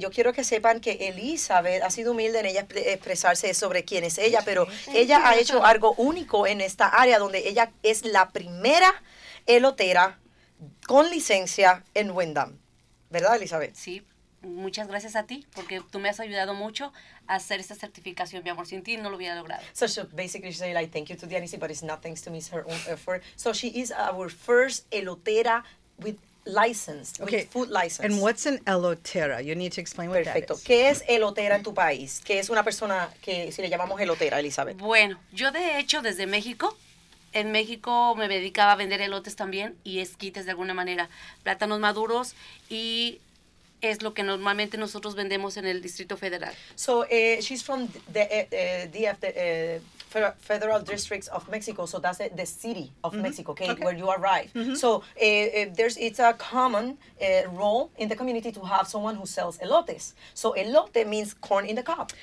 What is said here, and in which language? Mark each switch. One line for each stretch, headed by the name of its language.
Spanish: Yo quiero que sepan que Elizabeth ha sido humilde en ella expresarse sobre quién es ella, pero ella ha hecho algo único en esta área donde ella es la primera elotera con licencia en Windham. ¿Verdad, Elizabeth? Sí. Muchas gracias a ti, porque tú me has ayudado mucho a hacer esta certificación, mi amor. Sin ti no lo hubiera logrado.
English: So basically she said, like, thank you to Dianisi, but it's not thanks to me, it's her own effort. So she is our first elotera with license, okay. With food license. And what's an elotera? You need to explain what
Spanish: Perfecto.
English: That is.
Spanish: ¿Qué es elotera en tu país? ¿Qué es una persona que si le llamamos elotera, Elizabeth? Bueno, yo de hecho desde México, en México me dedicaba a vender elotes también y esquites de alguna manera, plátanos maduros y... es lo que normalmente nosotros vendemos en el Distrito Federal.
English: So, she's from the DF, the Federal Districts of Mexico, so that's the city of mm-hmm. Mexico, okay, okay, where you arrive. Mm-hmm. So, it's a common role in the community to have someone who sells elotes. So, elote means corn in the cob.